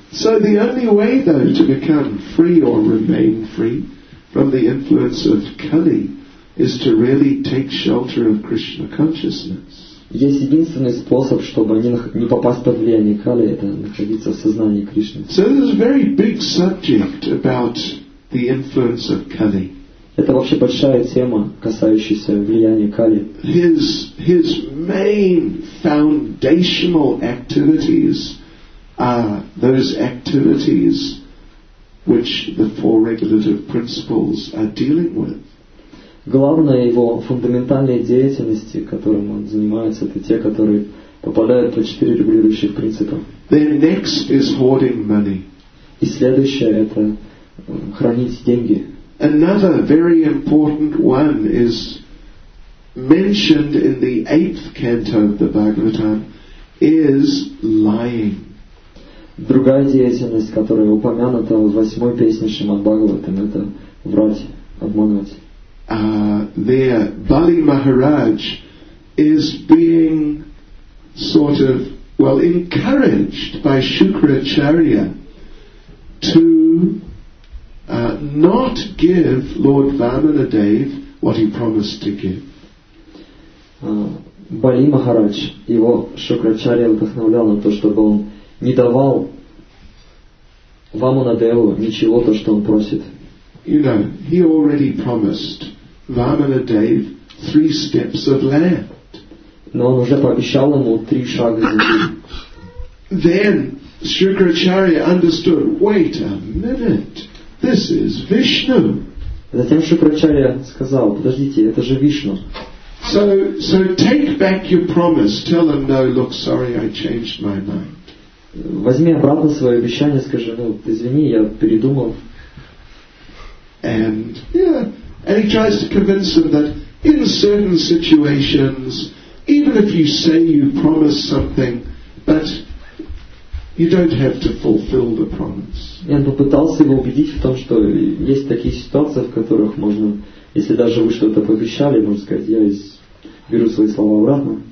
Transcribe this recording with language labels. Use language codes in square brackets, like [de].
[en] So the only way though to become free or remain free from the influence of Kali is to really take shelter of Krishna consciousness. [ru] Есть единственный способ, чтобы не попасть под влияние Кали, это находиться в сознании Кришны. [en] So this is a very big subject about the influence of Kali. [ru] Это вообще большая тема, касающаяся влияния Кали. [en] His main foundational activities are those activities which the four regulative principles are dealing with. [ru] Главная его фундаментальная деятельность, которым он занимается, это те, которые попадают под четыре регулирующих принципа. [en] Then next is hoarding money. [ru] И следующее это хранить деньги. [en] Another very important one is mentioned in the eighth canto of the Bhagavatam is lying. [ru] Другая деятельность, которая упомянута в восьмой песне Шримад Бхагаватам, это врать, обманывать. [en] There Bali Maharaj is being sort of, well, encouraged by Shukracharya to not give Lord Vamanadeva what he promised to give. [ru] Bali Maharaj, его Шукрачарья вдохновлял на то, чтобы он не давал Vamanadeva ничего, то, что он просит. [en] You know, he already promised Vamanadeva 3 steps of land. [ru] Но он уже пообещал ему 3 шага земли. [en] Then Shukracharya understood, wait a minute, this is Vishnu. [ru] Затем Шукрачарья сказал, подождите, это же Вишну. [en] So take back your promise, tell him, no, look, sorry, I changed my mind. [ru] Возьми обратно свое обещание, скажи, ну, извини, я передумал. [en] And, yeah, and he tries to convince him that in certain situations, even if you say you promise something, but you don't have to fulfill the promise. [ru] И он попытался его убедить в том, что есть такие ситуации, в которых можно, если даже вы что-то пообещали, можно сказать, я Беру свои слова обратно.